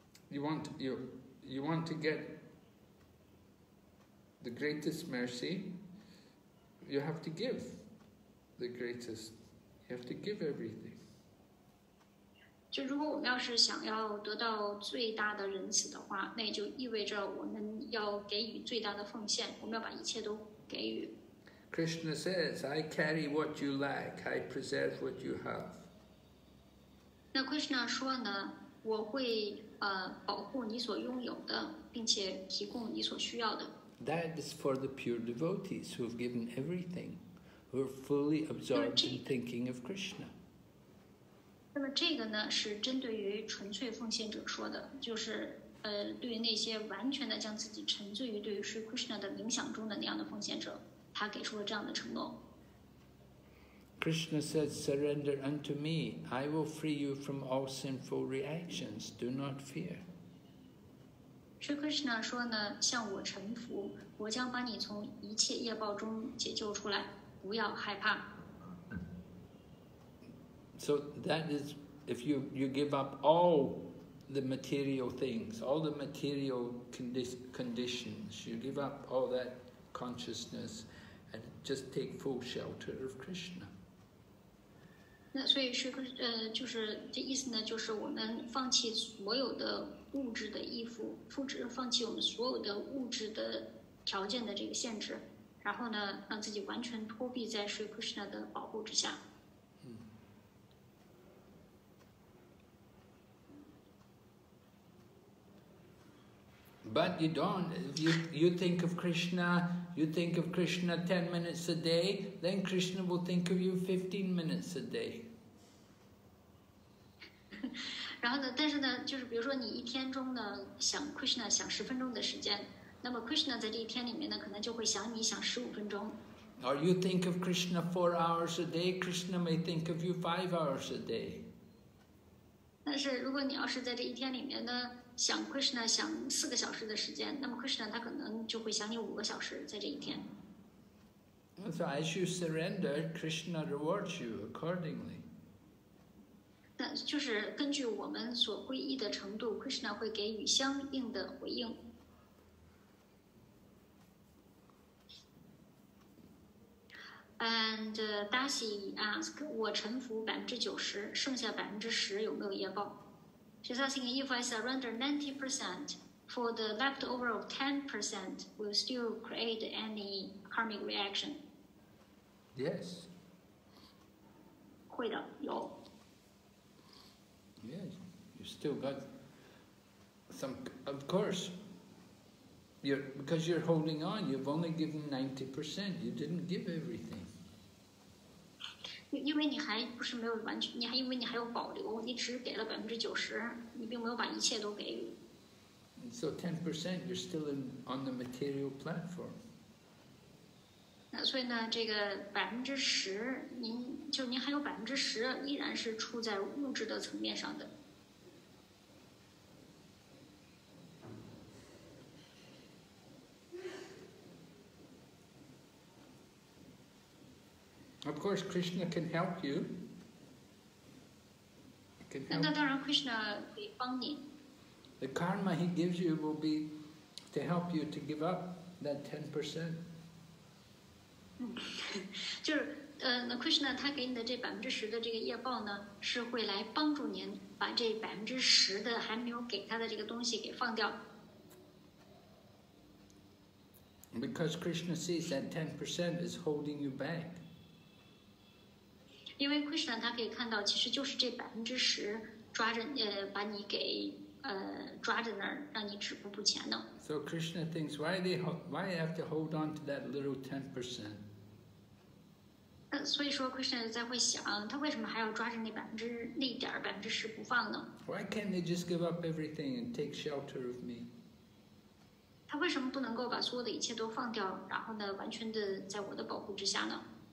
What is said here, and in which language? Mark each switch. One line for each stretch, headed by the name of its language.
English: You want to get the greatest mercy, you have to give the greatest. You have to give everything.
Chinese: 就如果我们要是想要得到最大的仁慈的话，那也就意味着我们要给予最大的奉献，我们要把一切都给予。
English: Krishna says, I carry what you lack, I preserve what you have.
Chinese: 那 Krishna 说呢，我会保护你所拥有的，并且提供你所需要的。
English: That is for the pure devotees who have given everything, who are fully absorbed in thinking of Krishna.
Chinese: 那么这个呢，是针对于纯粹奉献者说的，就是对于那些完全的将自己沉醉于对于 Sri Krishna 的冥想中的那样的奉献者，他给出了这样的承诺。
English: Krishna said, surrender unto me. I will free you from all sinful reactions. Do not fear.
Chinese: Sri Krishna 说呢，向我臣服，我将把你从一切业报中解救出来，不要害怕。
English: So that is, if you give up all the material things, all the material conditions, you give up all that consciousness, and just take full shelter of Krishna.
Chinese: 那所以是就是这意思呢，就是我们放弃所有的物质的依附，放弃我们所有的物质的条件的这个限制，然后呢，让自己完全脱臂在 Sri Krishna 的保护之下。
English: But you don't. You think of Krishna. You think of Krishna 10 minutes a day. Then Krishna will think of you 15 minutes a day.
Chinese: 然后呢？但是呢，就是比如说你一天中呢想 Krishna 想十分钟的时间，那么 Krishna 在这一天里面呢，可能就会想你想15分钟。
English: Or you think of Krishna 4 hours a day. Krishna may think of you 5 hours a day.
Chinese: 但是如果你要是在这一天里面呢？想 Krishna 想4个小时的时间，那么 Krishna 他可能就会想你5个小时在这一天。
English: So as you surrender, Krishna rewards you accordingly.
Chinese: 那就是根据我们所皈依的程度 ，Krishna 会给予相应的回应。
English: And Dasi ask,
Chinese: 我臣服90%，剩下10%有没有业报？
English: She's asking if I surrender 90% for the leftover of 10%, will still create any karmic reaction? Yes.
Chinese: 会的，有。
English: Yes, you still got some. Of course, because you're holding on, you've only given 90%. You didn't give everything.
Chinese: 因为你还不是没有完全，你还因为你还有保留，你只给了90%。
English: And so 10%, you're still on the material platform.
Chinese: 那所以呢，这个10%，您还有10%，依然是处在物质的层面上的。
English: Of course, Krishna can help you. Can help.
Chinese: 那当然 ，Krishna 可以帮你。
English: The karma he gives you will be to help you to give up that 10%.
Chinese: 就是那 Krishna 他给你的这10%的这个业报呢，是会来帮助您把这10%的还没有给他的这个东西给放掉。
English: Because Krishna sees that 10% is holding you back.
Chinese: 因为 Krishna 他可以看到，其实就是这10%抓着把你给抓着那儿，让你止步不前呢。
English: So Krishna thinks, why have to hold on to that little 10%?
Chinese: 所以说 Krishna 在会想，他为什么还要抓着那点百分之十不放呢
English: ？Why can't they just give up everything and take shelter of me?
Chinese: 他为什么不能够把所有的一切都放掉，然后呢，完全的在我的保护之下呢？